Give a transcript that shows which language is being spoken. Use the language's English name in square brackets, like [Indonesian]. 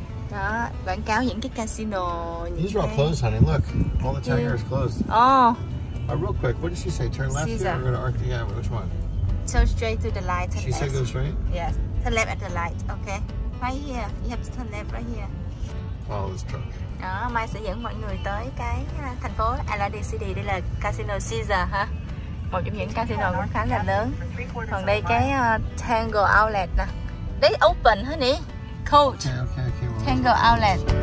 [Vietnamese] Đó, quảng cáo những cái casino. [English] These are all closed, honey. Look, all the tiger is closed. Oh. Real quick, what did she say? Turn left or go to Arctic Avenue? Which one? So straight to the light. She said go straight. Yes. Turn left at the light. Okay. Right here. You have to turn left right here. Oh, [Vietnamese] đó, Mai sẽ dẫn mọi người tới cái thành phố Atlantic City. Đây là Casino Caesar ha. Một trong những casino nó khá là lớn. Còn đây cái Tango Outlet nè. Đấy, open hả nhỉ? Coach. Tango Outlet.